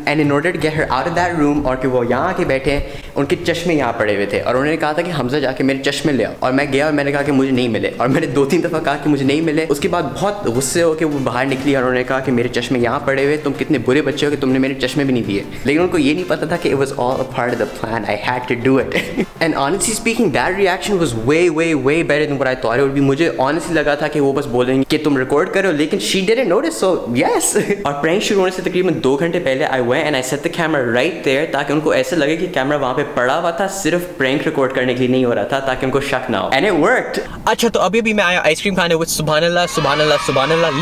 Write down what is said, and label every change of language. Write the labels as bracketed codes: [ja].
[en] And in order to get her out of that room [hi] और कि वो यहाँ आके बैठे, उनके चश्मे यहाँ पड़े हुए थे. और उन्होंने कहा था कि हमजा जाके मेरे चश्मे ले आओ. और मैं गया और मैंने कहा कि मुझे नहीं मिले. और मैंने दो तीन दफ़ा कहा कि मुझे नहीं मिले. उसके बाद बहुत गुस्से हो कि वो बाहर निकली और उन्होंने कहा कि मेरे चश्मे यहाँ पड़े हुए, तुम कितने बुरे बच्चे हो कि तुमने मेरे चश्मे भी नहीं दिए. लेकिन उनको ये नहीं पता था कि [en] it was all a part of the plan. I had to do it. And honestly speaking, that reaction was way, way, way better than what I thought it would be. [hi] मुझे honestly लगा था कि वो बस बोलेंगे कि तुम record करो, लेकिन [en] she didn't notice, so yes. [hi] और प्रैंक शुरू होने से तकरीबन दो घंटे पहले [en] I went and I set the camera right there [hi] ताकि उनको ऐसे लगे कि कैमरा वहाँ पे पड़ा हुआ था, सिर्फ प्रैंक रिकॉर्ड करने के लिए नहीं हो रहा था, ताकि उनको शक ना हो. [en] And it worked. [hi] अच्छा, तो अभी भी मैं आया आइसक्रीम खाने with सुभानअल्लाह, सुभानअल्लाह, सुभानअल्लाह.